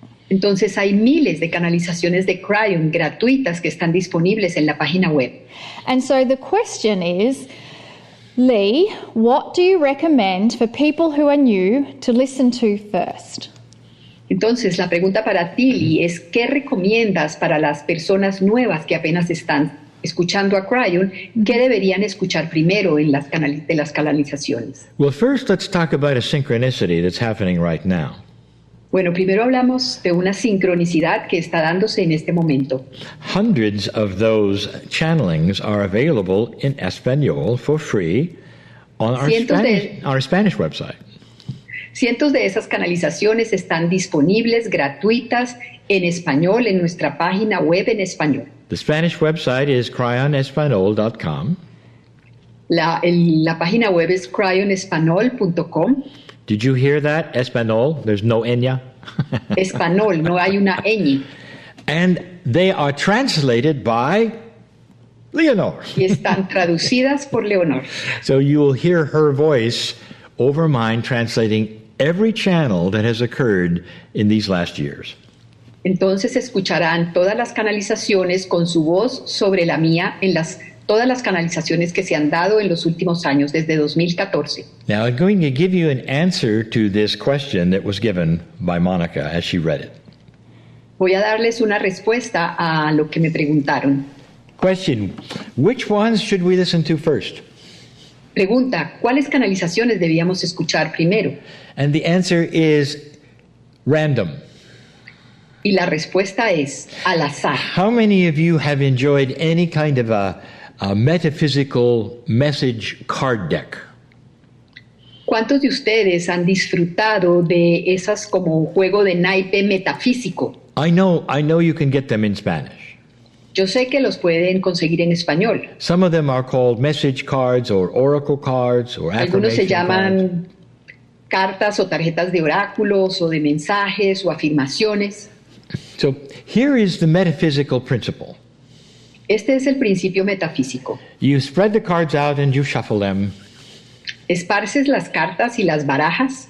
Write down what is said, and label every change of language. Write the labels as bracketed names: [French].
[Spanish] Entonces hay miles de canalizaciones de Crine gratuitas que están disponibles en la página web. [English] And so the question is, Lee, what do you recommend for people who are new to listen to first? [Spanish] Entonces, la pregunta para ti, Lee, es ¿qué recomiendas para las personas nuevas que apenas están escuchando a Cryon? ¿Qué deberían escuchar primero en las canalizaciones? [English] Well, first let's talk about a synchronicity that's happening right now. [Spanish] Bueno, primero hablamos de una sincronicidad que está dándose en este momento. [English] Hundreds of those channelings are available in Español for free on our Spanish website. [Spanish] Cientos de esas canalizaciones están disponibles gratuitas en español en nuestra página web en español. [English] The Spanish website is cryonespanol.com. [Spanish] La página web es cryonespanol.com. [English] Did you hear that? Espanol, there's no ñ. [Spanish] Espanol, no hay una ñ. [English] And they are translated by Leonor. [Spanish] Y están traducidas por Leonor. [English] So you will hear her voice over mine translating every channel that has occurred in these last years. [Spanish] Entonces escucharán todas las canalizaciones con su voz sobre la mía en las todas las canalizaciones que se han dado en los últimos años desde 2014. [English] Now I'm going to give you an answer to this question that was given by Monica as she read it. [Spanish] Voy a darles una respuesta a lo que me preguntaron. [English] Question: which ones should we listen to first? [Spanish] Pregunta: ¿cuáles canalizaciones debíamos escuchar primero? [English] And the answer is random. [Spanish] Y la respuesta es al azar. [English] How many of you have enjoyed any kind of a metaphysical message card deck? [Spanish] ¿Cuántos de ustedes han disfrutado de esas como juego de naipe metafísico? [English] I know you can get them in Spanish. [Spanish] Yo sé que los pueden conseguir en español. [English] Some of them are called message cards or oracle cards or affirmation cards. [Spanish] Algunos se llaman cartas o tarjetas de oráculos o de mensajes o afirmaciones. [English] So here is the metaphysical principle. [Spanish] Este es el principio metafísico. [English] You spread the cards out and you shuffle them. [Spanish] Esparces las cartas y las barajas.